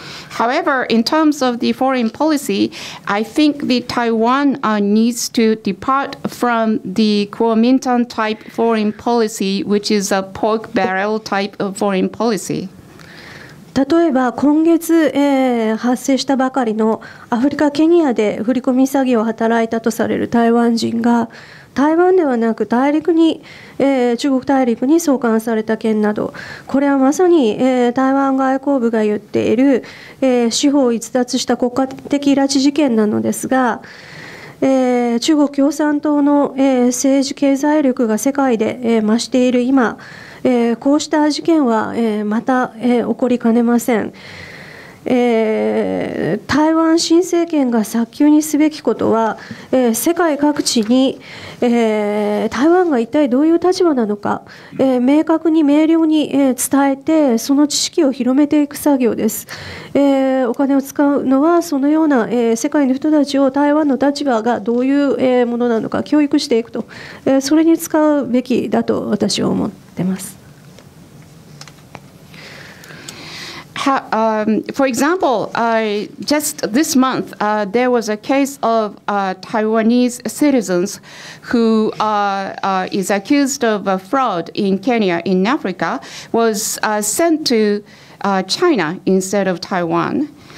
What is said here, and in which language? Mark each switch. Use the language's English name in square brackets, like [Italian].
[English] However, in terms of the foreign policy, I think the Taiwan needs to depart from the Kuomintang type foreign policy, which is a pork barrel type of foreign policy. [Japanese] 例えば今月、発生したばかりのアフリカ・ケニアで振り込み詐欺を働いたとされる台湾人が、台湾ではなく大陸に、中国大陸に送還された件など、これはまさに、台湾外交部が言っている、司法を逸脱した国家的拉致事件なのですが、中国共産党の政治経済力が世界で増している今、こうした事件はまた起こりかねません。台湾新政権が早急にすべきことは、世界各地に、台湾が一体どういう立場なのか、明確に明瞭に、伝えてその知識を広めていく作業です。お金を使うのはそのような、世界の人たちを台湾の立場がどういう、ものなのか教育していくと、それに使うべきだと私は思っています。 [English] For example, just this month, there was a case of Taiwanese citizens who is accused of fraud in Kenya, in Africa, was sent to China instead of Taiwan.